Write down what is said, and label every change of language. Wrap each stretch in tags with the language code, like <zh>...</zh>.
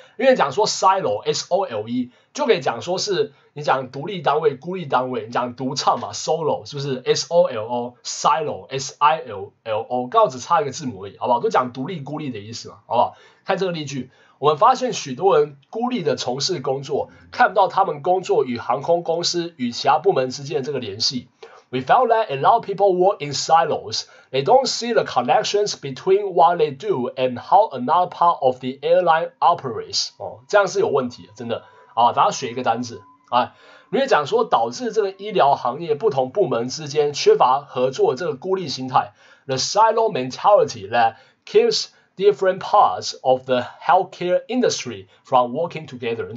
<zh>因为讲说 silo s o l e 就可以讲说是你讲独立单位、孤立单位，你讲独唱嘛 ，solo 是不是 ？s o l o silo s i l l o， 刚好只差一个字母而已，好不好？都讲独立、孤立的意思嘛，好不好？看这个例句，我们发现许多人孤立的从事工作，看不到他们工作与航空公司与其他部门之间的这个联系。</zh> <en>We found that a lot of people work in silos. They don't see the connections between what they do and how another part of the airline operates.</en> <zh>哦，这样是有问题的，真的。啊，大家学一个单字。啊，你也讲说导致这个医疗行业不同部门之间缺乏合作这个孤立心态。</zh> <en>The silo mentality that keeps different parts of the healthcare industry from working together.</en>